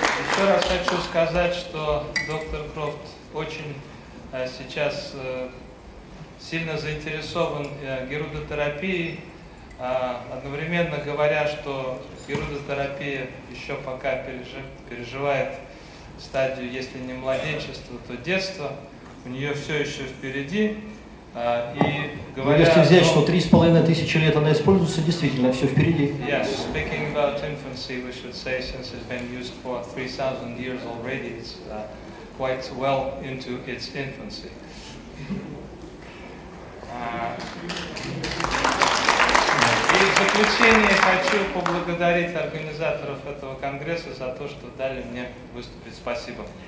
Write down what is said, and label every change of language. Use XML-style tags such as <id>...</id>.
<ru>Еще раз хочу сказать, что доктор Крофт очень сейчас сильно заинтересован герудотерапией, одновременно говоря, что герудотерапия еще пока переживает стадию, если не младенчества, то детства. У нее все еще впереди. И говоря, если взять, что 3500 лет она используется, действительно, все впереди.</ru> <en>Yes, speaking about infancy, we should say, since it's been used for 3000 years already, it's quite well into its infancy.</en> <ru>И в заключение хочу поблагодарить организаторов этого конгресса за то, что дали мне выступить. Спасибо.</ru>